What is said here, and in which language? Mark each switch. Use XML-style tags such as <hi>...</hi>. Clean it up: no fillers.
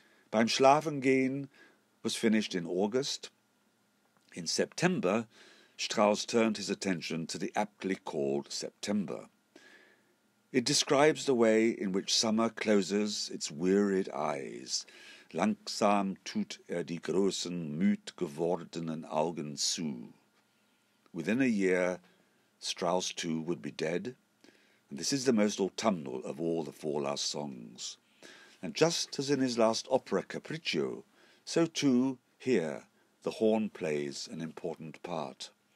<en>Beim Schlafen gehen was finished in August. In September, Strauss turned his attention to the aptly called September. It describes the way in which summer closes its wearied eyes.</en> <de>Langsam tut die großen, müd gewordenen Augen zu.</de> <en>Within a year, Strauss too would be dead. And this is the most autumnal of all the four last songs. And just as in his last opera, Capriccio, so too, here, the horn plays an important part.</en>